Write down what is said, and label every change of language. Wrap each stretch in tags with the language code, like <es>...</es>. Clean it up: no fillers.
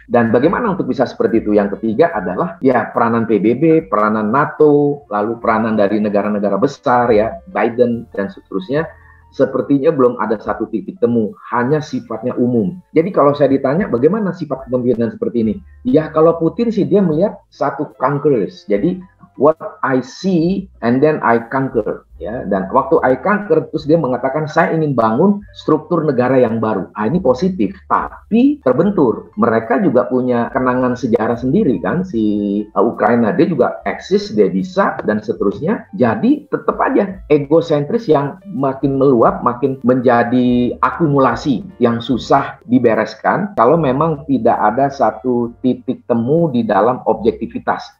<id>Dan bagaimana untuk bisa seperti itu? Yang ketiga adalah ya peranan PBB, peranan NATO, lalu peranan dari negara-negara besar ya, Biden dan seterusnya. Sepertinya belum ada satu titik temu, hanya sifatnya umum. Jadi kalau saya ditanya bagaimana sifat kepemimpinan seperti ini? Ya kalau Putin sih dia melihat satu conquerors. Jadi</id> <en>what I see and then I conquer.</en> <id>Ya, dan waktu Aikang terus dia mengatakan saya ingin bangun struktur negara yang baru. Ah, ini positif, tapi terbentur. Mereka juga punya kenangan sejarah sendiri kan, si Ukraina. Dia juga eksis, dia bisa, dan seterusnya. Jadi tetap aja egosentris yang makin meluap, makin menjadi akumulasi yang susah dibereskan kalau memang tidak ada satu titik temu di dalam objektivitas.</id>